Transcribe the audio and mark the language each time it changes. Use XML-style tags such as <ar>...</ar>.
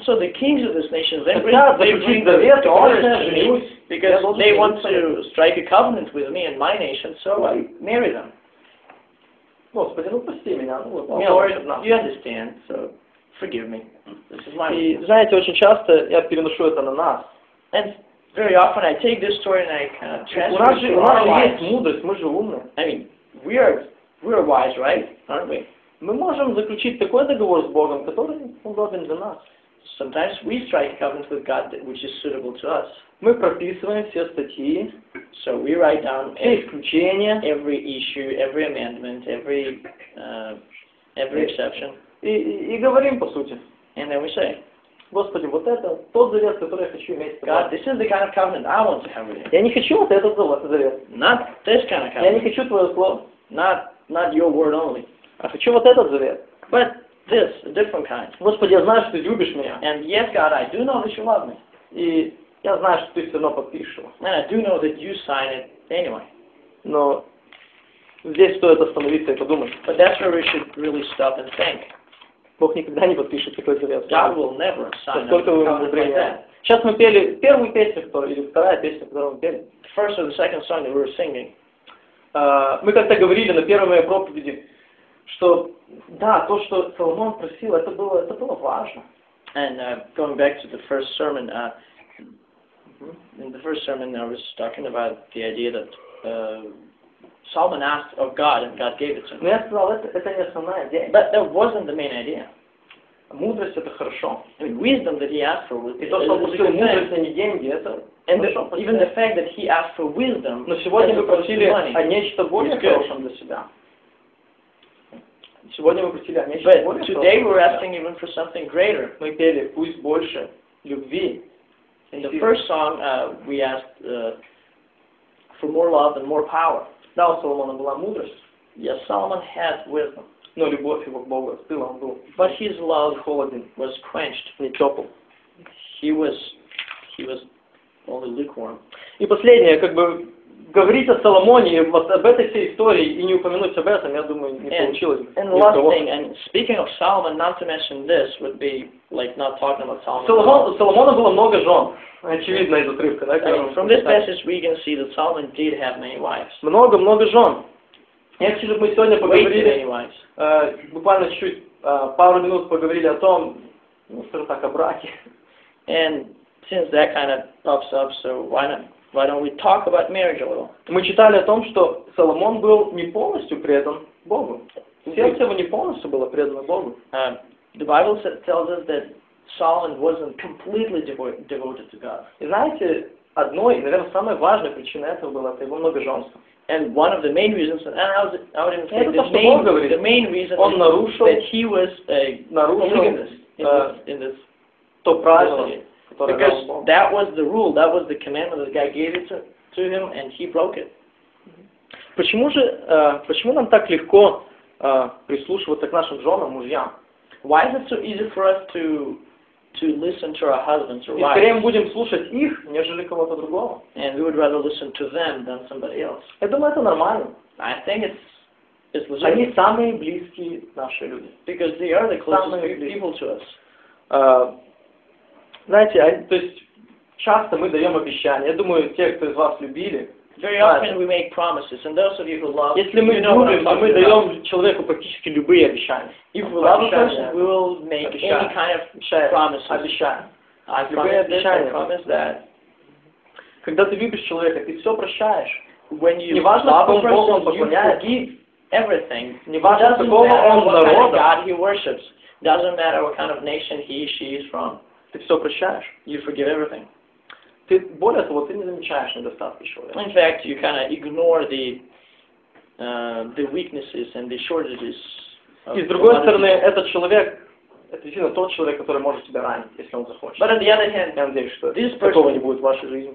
<en>So the kings of this nation, they bring their daughters to me, because they want to strike a covenant with me and my nation, so I marry them.</en> <ru>Господи, ну прости меня, ну</ru> <en>вот. Lord, you understand, so forgive me.</en> <ru>И знаете, очень часто я переношу это на нас.</ru> <en>And very often I take this story and I kind of translate.</en> <ru>У нас же, есть мудрость, мы же умные.</ru> <en>I mean, we are wise, right? Aren't we?</en> <ru>Мы можем заключить такой договор с Богом, который удобен для нас.</ru> <en>Sometimes we strike a covenant with God which is suitable to us.</en> <ru>Мы прописываем все статьи.</ru> <en>So we write down</en> <ru>все исключения,</ru> <en>every issue, every amendment, every exception.</en> <ru>И говорим по сути.</ru> <en>And then we say,</en> <ru>Господи, вот это тот завет, который я хочу иметь с тобой.</ru> <en>God, this is the kind of covenant I want to have with you.</en> <ru>Я не хочу вот этот завет.</ru> <en>Not this kind of covenant.</en> <ru>Я не хочу твое слово.</ru> <en>Not your word only.</en> <ru>А хочу вот этот завет.</ru> <en>But this, a different kind.</en> <ru>Господи, я знаю, что ты любишь меня.</ru> <en>And yes, God, I do know that you love me.</en> <ru>И я знаю, что ты все равно подпишешь его.</ru> <en>And I do know that you sign it anyway.</en> <ru>Но здесь стоит остановиться и подумать.</ru> <en>But that's where we should really stop and think.</en> <ru>Бог никогда не подпишет такой завет.</ru> <en>God will never sign a covenant like that.</en> <ru>Сейчас мы пели первую песню, или вторая песня, которую мы пели.</ru> <en>The first or the second song that we were singing.</en> <ru>Мы как-то говорили на первой моей проповеди, что да, то, что Соломон просил, это было важно.</ru> <en>And going back to the first sermon, in the first sermon I was talking about the idea that Solomon asked of God and God gave it to him.</en> <ru>Но я сказал, это не основная идея.</ru> <en>But that wasn't the main idea.</en> <ru>Мудрость — это хорошо.</ru> <en>I mean, wisdom that he asked for was</en> <ru>и то, что он просил мудрость, а не деньги, это</ru> <en>and even the fact that he asked for wisdom.</en> <ru>Но сегодня мы просили о нечто более хорошем для себя. Сегодня мы просили о нечто более хорошем.</ru> <en>But today we're asking even for something greater.</en> <ru>Мы пели, пусть больше любви.</ru> <en>In the first song, we asked for more love and more power.</en> <ru>Да, у Соломона была мудрость.</ru> <en>Yes, Solomon had wisdom.</en> <ru>Но любовь его к Богу остыла, он был.</ru> <en>But his love</en> <ru>холоден.</ru> <en>Was quenched.</en> <ru>Не топл.</ru> <en>He was only lukewarm.</en> <ru>И последнее, как бы говорить о Соломоне, вот об этой всей истории и не упомянуть об этом, я думаю, не получилось.</ru> <en>And the last thing, and speaking of Solomon, not to mention this would be like not talking about Solomon.</en> <ru>Соломона было много жен. Очевидно из отрывка, да?</ru> <en>From this passage we can see that Solomon did have many wives.</en> <ru>Много, много жен. Я хочу, чтобы мы сегодня поговорили, буквально чуть-чуть, пару минут поговорили о том, ну, скажем так, о браке.</ru> <en>And since that kind of pops up, so why don't we talk about marriage a little?</en> <ru>Мы читали о том, что Соломон был не полностью предан Богу. Сердце его не полностью было предано Богу.</ru> <en>The Bible tells us that Solomon wasn't completely devoted to God.</en> <ru>И знаете, одной, наверное, самой важной причиной этого было это его многоженство.</ru> <en>And one of the main reasons, and I would even say the main reason</en> <ru>он</ru> <en>is</en> <ru>нарушил,</ru> <en>that he was a polygamist in this</en> <ru>то правило,</ru> <en>because that was the rule, that was the commandment that God gave it to him, and he broke it.</en> <ru>Почему же, почему нам так легко прислушиваться к нашим женам, мужьям?</ru> <en>Why is it so easy for us to listen to our husbands or wives?</en> <ru>И скорее мы будем слушать их, нежели кого-то другого.</ru> <en>And we would rather listen to them than somebody else.</en> <ru>Я думаю, это нормально.</ru> <en>I think it's legitimate.</en> <ru>Они самые близкие наши люди.</ru> <en>Because they are the closest people to us.</en> <ru>Знаете, то есть часто мы даем обещания. Я думаю, те, кто из вас любили.</ru> <en>Very often we make promises, and those of you who love,</en> <ru>если мы любим, мы даем человеку практически любые обещания.</ru> <en>If we love a person, we will make any kind of promise. I promise that.</en> <ru>Когда ты любишь человека, ты все прощаешь.</ru> <en>When you love a person, you forgive everything.</en> <ru>Неважно,</ru> <en>it doesn't matter what kind of God he worships. Doesn't matter what kind of nation he or she is from.</en> <ru>Ты все прощаешь.</ru> <en>You forgive everything.</en> <ru>Ты, более того, ты не замечаешь недостатки человека.</ru> <en>In fact, you kind of ignore the weaknesses and the shortages.</en> <ru>И с другой стороны, этот человек, это действительно тот человек, который может тебя ранить, если он захочет.</ru> <en>But on the other hand,</en> <ru>я надеюсь, что такого не будет в вашей жизни.</ru>